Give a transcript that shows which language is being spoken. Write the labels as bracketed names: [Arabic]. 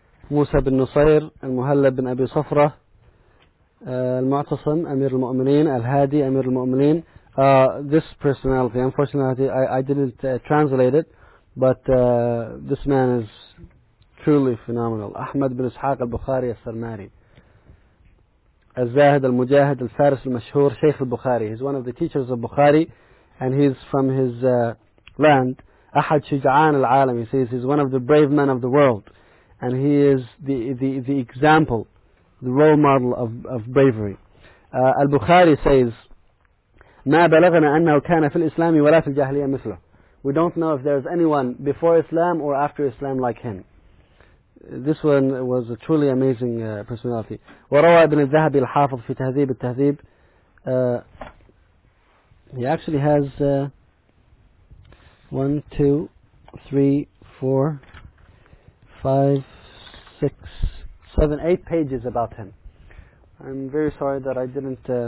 [Arabic] موسى بن نصير المهلب بن أبي صفرة المعتصم أمير المؤمنين الهادي أمير المؤمنين. [English] This personality, unfortunately I didn't translate it, but this man is truly phenomenal. [Arabic] أحمد بن إسحاق البخاري السرماري الزاهد المجاهد الفارس المشهور شيخ البخاري. [English] He's one of the teachers of Bukhari and he's from his land. [Arabic] أحد شجعان العالم. [English] He says he's one of the brave men of the world. And he is the example, the role model of bravery. [Arabic] Al-Bukhari says, ما بلغنا أنه كان في الإسلام ولا في الجاهلية مثله. [English] We don't know if there's anyone before Islam or after Islam like him. This one was a truly amazing personality. [Arabic] وروى ابن الذهبي الحافظ في تهذيب التهذيب. [English] He actually has 1, 2, 3, 4, 5, 6, 7, 8 pages about him. I'm very sorry that I didn't.